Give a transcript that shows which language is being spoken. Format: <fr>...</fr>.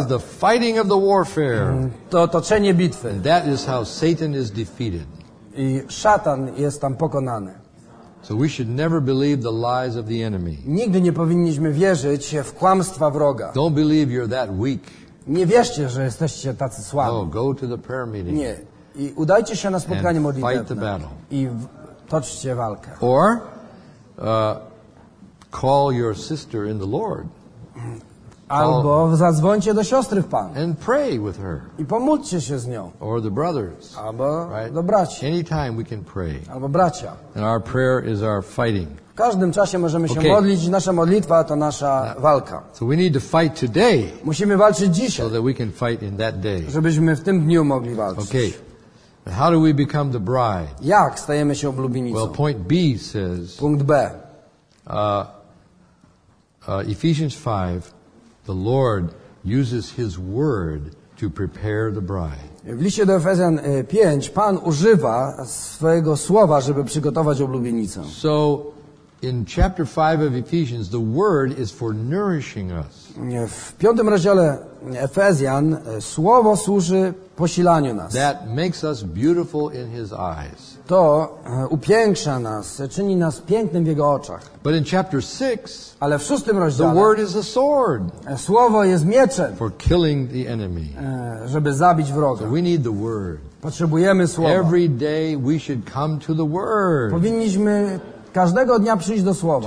<en>is the fighting of the warfare.</en> <pl>To toczenie bitwy.</pl> <en>And that is how Satan is defeated.</en> <pl>I szatan jest tam pokonany.</pl> <en>So we should never believe the lies of the enemy.</en> <pl>Nigdy nie powinniśmy wierzyć w kłamstwa wroga.</pl> <en>Don't believe you're that weak.</en> <pl>Nie wierzcie, że jesteście tacy słabi.</pl> <en>No, go to the prayer meeting.</en> <pl>Nie. I udajcie się na spotkanie modlitewne.</pl> <en>Fight the battle.</en> <pl>I toczcie walkę.</pl> <en>Or call your sister in the Lord.</en> <pl>Albo zadzwońcie do siostry w Panu.</pl> <en>And pray with her.</en> <pl>I pomódlcie się z nią.</pl> <en>Or the brothers.</en> <pl>Albo</pl> <en>right?</en> <pl>Do braci.</pl> <en>Anytime we can pray.</en> <pl>Albo bracia.</pl> <en>And our prayer is our fighting.</en> <pl>W każdym czasie możemy się modlić. Nasza modlitwa to nasza walka.</pl> <en>So we need to fight today.</en> <pl>Musimy walczyć dzisiaj.</pl> <en>So that we can fight in that day.</en> <pl>Żebyśmy w tym dniu mogli walczyć.</pl> <en>Okay. How do we become the bride?</en> <pl>Jak stajemy się oblubienicą?</pl> <en>Well, point B says.</en> <pl>Punkt B.</pl> <en>Ephesians 5. The Lord uses His word to prepare the bride.</en> <pl>W liście do Efezjan 5 Pan używa swojego słowa, żeby przygotować oblubienicę.</pl> <en>So in chapter 5 of Ephesians the word is for nourishing us.</en> <pl>W piątym rozdziale Efezjan słowo służy posilaniu nas.</pl> <en>That makes us beautiful in His eyes.</en> <pl>To upiększa nas, czyni nas pięknym w Jego oczach.</pl> <en>But in chapter 6,</en> <pl>ale w szóstym rozdziale,</pl> <en>the word is a sword.</en> <pl>Słowo jest mieczem.</pl> <en>For killing the enemy.</en> <pl>Żeby zabić wroga.</pl> <en>So we need the word.</en> <pl>Potrzebujemy słowa.</pl> <en>Every day we should come to the word.</en> <pl>Powinniśmy każdego dnia przyjść do słowa.</pl>